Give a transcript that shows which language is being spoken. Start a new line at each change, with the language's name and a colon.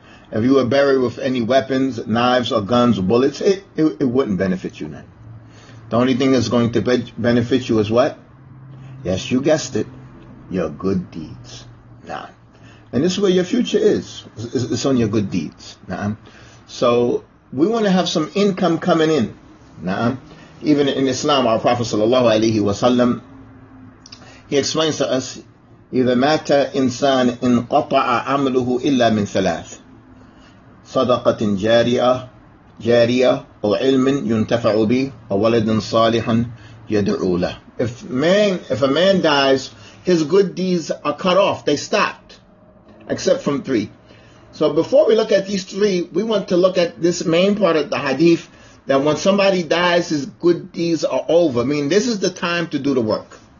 English: If you were buried with any weapons, knives or guns or bullets, it wouldn't benefit you none. The only thing that's going to benefit you is what? Yes, you guessed it. Your good deeds. Nah. And this is where your future is. It's on your good deeds. Nah. So we want to have some income coming in.
Arabic: Now, even in Islam, our Prophet sallallahu alaihi wasallam, he explains to us, إِذَا مَاتَ إِنسَانٌ إِنْ قَطَعَ عَمْلُهُ إِلَّا مِنْ ثَلَاثٍ صَدَقَةٍ جَارِيَةٍ أَوْ عِلْمٍ يُنْتَفَعُ بِهِ أَوْ وَلَدٍ صَالِحًا يَدْعُو لَهُ.
English: If a man dies, his good deeds are cut off, they stopped, except from three. So before we look at these three, we want to look at this main part of the hadith, that when somebody dies, his good deeds are over. I mean, this is the time to do the work.